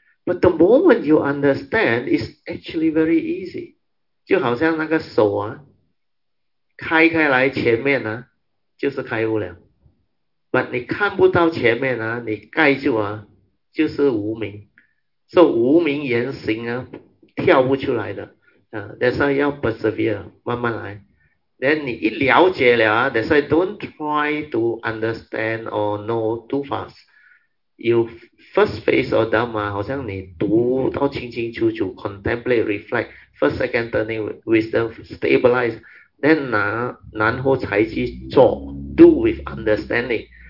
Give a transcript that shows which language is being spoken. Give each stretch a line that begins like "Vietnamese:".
English: But the moment you understand, it's actually very easy.
Chinese: 就好像那个手啊, 开开来前面啊, 就是开悟了。 But 你看不到前面啊, 你盖住啊, 就是无明。 So 无明言行啊, 跳不出来的。
English: That's why you persevere,
Chinese: 慢慢来。
English: Then
Chinese: 你一了解了啊,
English: that's why don't try to understand or know too fast. You first phase of Dharma,
Chinese: 好像你读到清清楚楚,
English: contemplate, reflect, first, second, turning wisdom, stabilize, then
Chinese: 然后才去做,
English: do with understanding.